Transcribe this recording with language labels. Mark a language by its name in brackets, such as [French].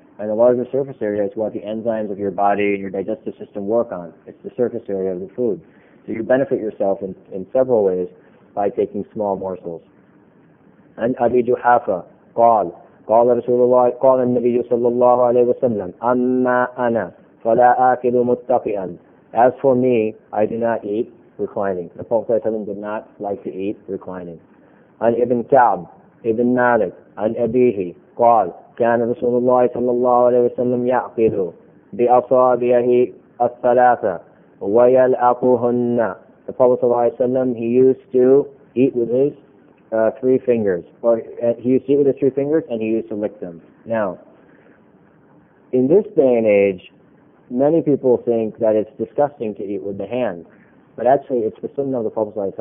[English] And the larger surface area is what the enzymes of your body and your digestive system work on. It's the surface area of the food. So you benefit yourself in several ways by taking small morsels. [Arabic] And Abi Juhafa, قال رسول الله قال النبي صلى الله عليه وسلم أما أنا فلا آكل متقيا. [English] As for me, I do not eat reclining. The Prophet ﷺ did not like to eat reclining. [Arabic] عن ابن كعب ابن مالك عن أبيه قال كان رسول الله صلى الله عليه وسلم يأكل بأصابعه الثلاثة ويلعقهن. [English] The Prophet ﷺ, he used to eat with his 3 fingers, or he used to eat with his 3 fingers and he used to lick them. Now, in this day and age, many people think that it's disgusting to eat with the hand, but actually it's the sunnah of the Prophet.